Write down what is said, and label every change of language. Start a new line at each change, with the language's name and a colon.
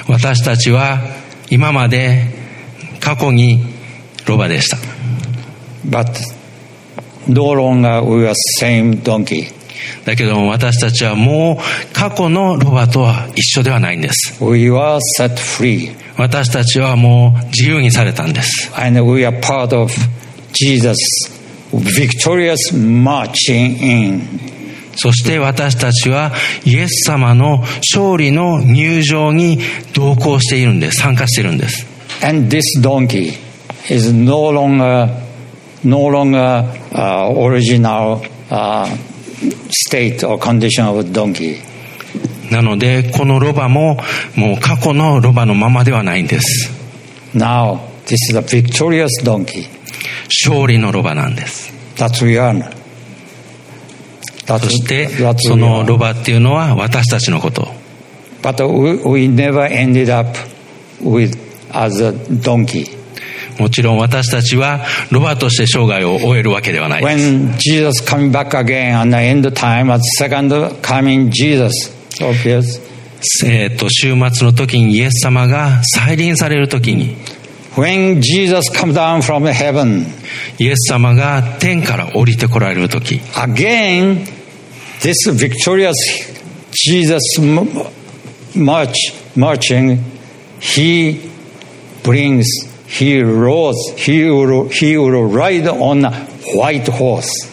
Japanese: 私たちは今まで過去にロバでした。
English: But no longer we are same donkey.
Japanese: だけども私たちはもう過去のロバとは一緒ではないんです。
English: We were set free.
Japanese: 私たちはもう自由にされたんです。
English: And we are part of Jesus victorious marching in.
Japanese: そして私たちはイエス様の勝利の入場に同行しているんです。参加しているんです。
English: And this donkey is no longer original state or condition of donkey.
Japanese: なのでこのロバももう過去のロバのままではないんです。
English: Now this is a victorious donkey.
Japanese: 勝利のロバなんです。
English: That we are.
Japanese: そしてそのロバっていうのは私たちのこと。
English: But we never ended up with as a donkey.
Japanese: もちろん私たちはロバとして生涯を終えるわけではないです。
English: When Jesus coming back again at the end time at second coming Jesus, obvious.
Japanese: 終末の時にイエス様が再臨される時に。
English: When Jesus comes down from heaven,
Japanese: イエス様が天から降りてこられる時、
English: again, this victorious Jesus marching, he will ride on a white horse.